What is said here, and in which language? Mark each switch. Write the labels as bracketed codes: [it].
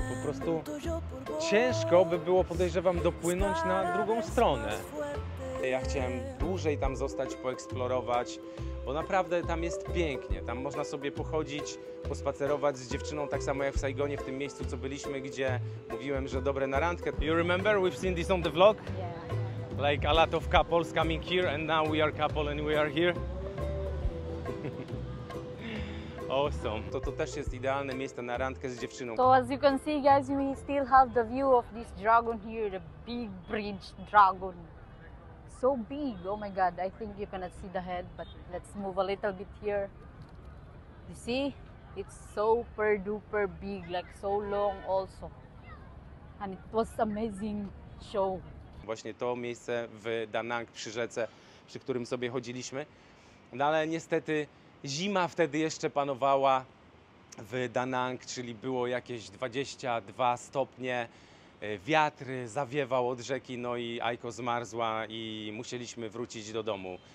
[pl] Po prostu ciężko by było, podejrzewam, dopłynąć na drugą stronę. Ja chciałem dłużej tam zostać, poeksplorować, bo naprawdę tam jest pięknie. Tam można sobie pochodzić, pospacerować z dziewczyną, tak samo jak w Saigonie, w tym miejscu, co byliśmy, gdzie mówiłem, że dobre na randkę. [en] You remember? We've seen this on the vlog? Yeah. Like a lot of couples coming here and now we are couple and we are here. Awesome. [pl] To też jest idealne miejsce na randkę z dziewczyną. [en] So as you can see, guys, we still have the view of this dragon here, the big bridge dragon. So big, oh my god, I think you cannot see the head, but let's move a little bit here. You see, it's super duper big, like so long also. And it was amazing show. [pl] Właśnie to miejsce w Da Nang przy rzece, przy którym sobie chodziliśmy. No ale niestety zima wtedy jeszcze panowała w Da Nang, czyli było jakieś 22 stopnie. Wiatr zawiewał od rzeki, no i Aiko zmarzła i musieliśmy wrócić do domu.